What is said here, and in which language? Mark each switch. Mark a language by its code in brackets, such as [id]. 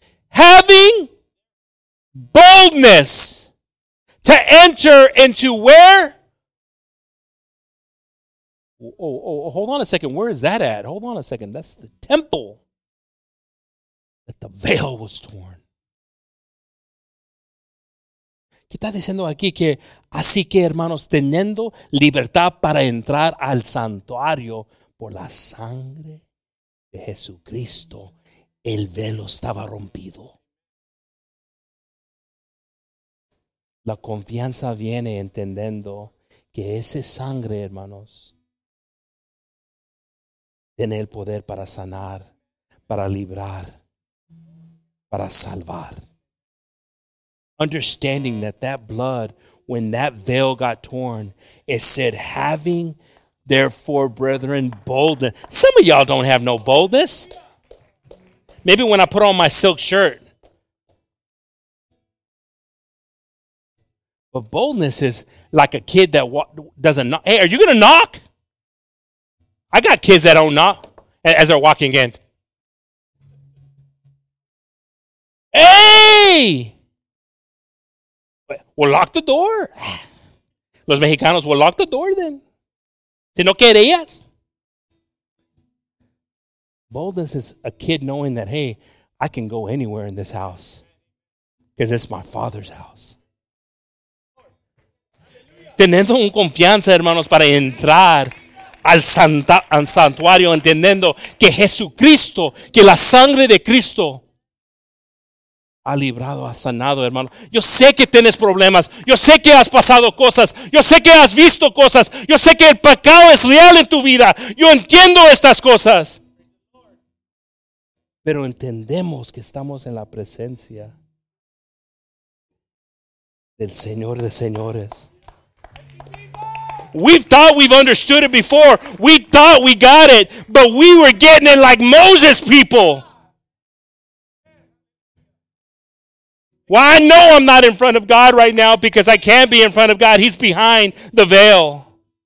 [en] Having boldness to enter into where? Oh, hold on a second. Where is that at? Hold on a second. That's the temple that the veil was torn. [es] ¿Qué está diciendo aquí? Que así que, hermanos, teniendo libertad para entrar al santuario por la sangre de Jesucristo, el velo estaba rompido. La confianza viene entendiendo que esa sangre, hermanos, tiene el poder para sanar, para librar, para salvar. [en] Understanding that blood, when that veil got torn, it said, having therefore, brethren, boldness. Some of y'all don't have no boldness. Maybe when I put on my silk shirt. But boldness is like a kid that doesn't knock. Hey, are you going to knock? I got kids that don't knock as they're walking in. Hey! Well, lock the door. [es] Los mexicanos, [en] well, lock the door then. [es] Si no querías. [en] Boldness is a kid knowing that, hey, I can go anywhere in this house because it's my father's house. [es] Teniendo un confianza, hermanos, para entrar al santuario, entendiendo que Jesucristo, que la sangre de Cristo ha librado, ha sanado, hermano. Yo sé que tienes problemas. Yo sé que has pasado cosas. Yo sé que has visto cosas. Yo sé que el pecado es real en tu vida. Yo entiendo estas cosas. Pero entendemos que estamos en la presencia del Señor de señores. [en] We thought we've understood it before. We thought we got it, but we were getting it like Moses people. Well, I know I'm not in front of God right now because I can't be in front of God. He's behind the veil.